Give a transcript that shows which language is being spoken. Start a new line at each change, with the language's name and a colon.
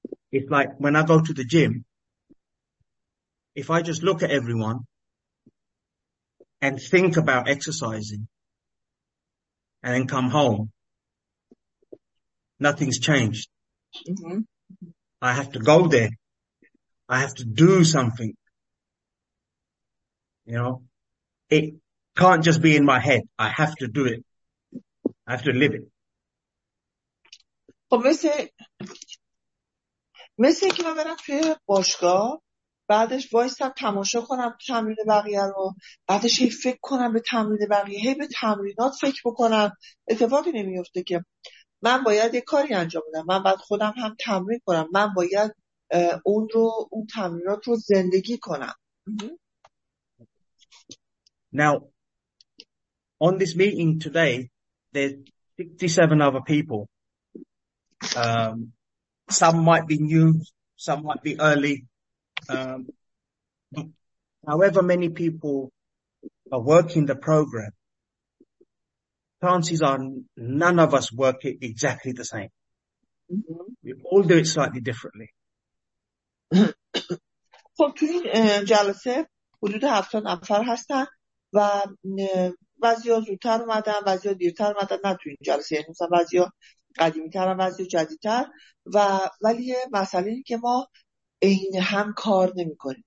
English: It's like when I go to the gym, if I just look at everyone and think about exercising and then come home, nothing's changed. I have to go there. I have to do something. You know, it can't just be in my head. I have to do it. I have to live it.
Persian: خب مثل اینکه من برم توی باشگاه، بعدش وایستم تماشا کنم تمرین بقیه رو، بعدش هی فکر کنم به تمرین بقیه، هی به تمرینات فکر بکنم، اتفاقی نمیفته که. من باید یک کاری انجام بدم، من باید خودم هم تمرین کنم، من باید اون رو، اون تمرینات رو زندگی کنم.
English: Now on this meeting today there's 67 other people. Some might be new, some might be early. however many people are working the program, chances are none of us work it exactly the same. Mm-hmm. We all do it slightly differently.
Persian: خب تو این جلسه حدود 70 نفر هستن و بعضیا زودتر اومدن، بعضیا دیرتر اومدن، نه تو این جلسه، یعنی مثلا بعضیا قدیمی‌تر و بعضیا جدیدتر، و ولی مسئله اینه که ما این هم کار نمی‌کنیم.